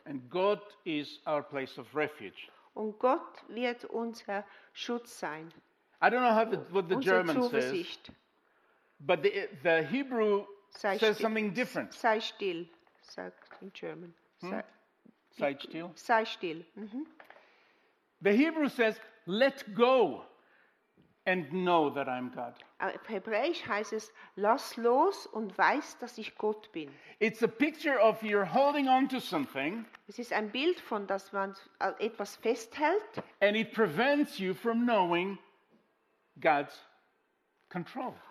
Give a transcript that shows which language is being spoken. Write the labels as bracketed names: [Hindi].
[English] And God is our place of refuge. [German] Und Gott wird unser Schutz sein. [English] I don't know how what the German says. But the Hebrew says something different. [German] Sei still, sagt [English] in German. [German] Sei still. Sei still. [English] The Hebrew says, let go and know that I'm God. [German] Auf Hebräisch heißt es, lass los und weiß, dass ich Gott bin. [English] It's a picture of you're holding on to something. [German] Es ist ein Bild von, dass man etwas festhält. [English] And it prevents you from knowing God's control.